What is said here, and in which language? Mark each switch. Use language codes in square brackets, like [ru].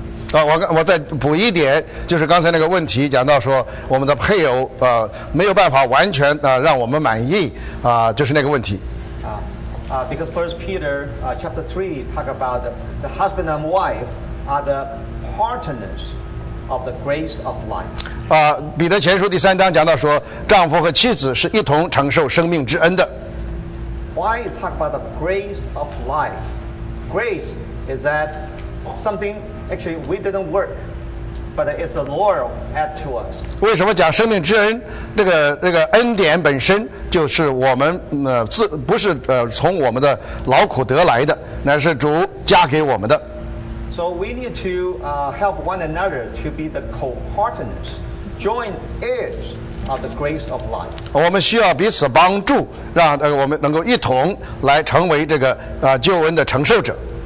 [zh] 我再补一点，就是刚才那个问题讲到说我们的配偶没有办法完全让我们满意就是那个问题。 [en] Because First Peter chapter 3 talk about the husband and wife are the partners of the grace of life. [zh] 彼得前书第三章讲到说丈夫和妻子是一同承受生命之恩的。 [en] Why is talk about the grace of life? Grace is that something actually we didn't work, but it's the Lord add to us. [zh] 为什么讲生命之恩？那个恩典本身就是我们不是从我们的劳苦得来的，乃是主加给我们的。 [en] So we need to help one another to be the co-partners, join heirs. Of the grace of life. [zh] 我们需要彼此帮助，让我们能够一同来成为这个救恩的承受者。